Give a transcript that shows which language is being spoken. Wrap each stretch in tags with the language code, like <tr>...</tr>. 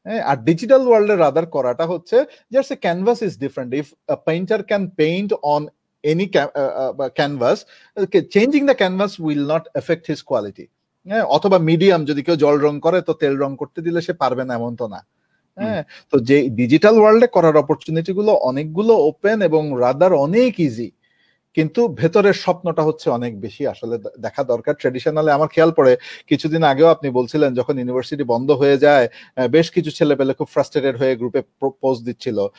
<bn>আর digital world এর rather করাটা হচ্ছে,</bn> <en>Just a canvas is different. If a painter can paint on any canvas, changing the canvas will not affect his quality.</en> <bn>অথবা medium যদি কেউ জল রং করে, তো তেল রং করতে দিলে সে পারবে না এমন তো না। হ্যাঁ, তো যে ডিজিটাল ওয়ার্ল্ডে করার অপরচুনিটি গুলো অনেকগুলো ওপেন এবং রাদার অনেক ইজি, কিন্তু ভেতরের স্বপ্নটা হচ্ছে অনেক বেশি আসলে দেখা দরকার। ট্রেডিশনালে আমার খেয়াল পড়ে, কিছুদিন আগেও আপনি বলছিলেন, যখন ইউনিভার্সিটি বন্ধ হয়ে যায়, বেশ কিছু ছেলে পেলে খুব ফ্রাস্ট্রেটেড হয়ে গ্রুপে পোস্ট দিচ্ছিল।</bn>